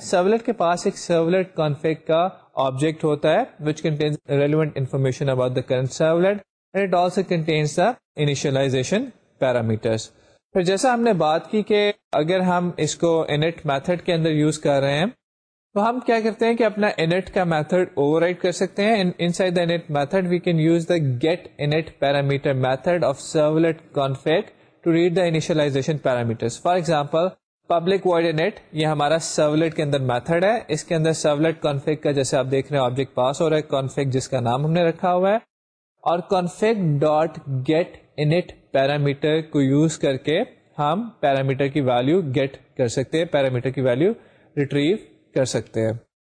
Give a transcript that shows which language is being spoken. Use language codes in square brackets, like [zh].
[ur] Servlet کے پاس ایک servlet config کا آبجیکٹ ہوتا ہے [en] Which contains relevant information about the current servlet and it also contains the initialization parameters. [ur] پھر جیسا ہم نے بات کی کہ اگر ہم اس کو انٹ میتھڈ کے اندر یوز کر رہے ہیں تو ہم کیا کرتے ہیں کہ اپنا انٹ کا میتھڈ اوور رائڈ کر سکتے ہیں. [en] Inside the init method we can use the get init parameter method of servlet config to read the initialization parameters. For example, [ur] public void init, یہ ہمارا سرولیٹ کے اندر میتھڈ ہے. اس کے اندر servlet config کا جیسے آپ دیکھ رہے ہیں آبجیکٹ پاس ہو رہا ہے, کانفیگ جس کا نام ہم نے رکھا ہوا ہے, اور config dot get int parameter کو یوز کر کے ہم پیرامیٹر کی ویلو گیٹ کر سکتے ہیں, پیرامیٹر کی ویلو ریٹریو کر سکتے ہیں.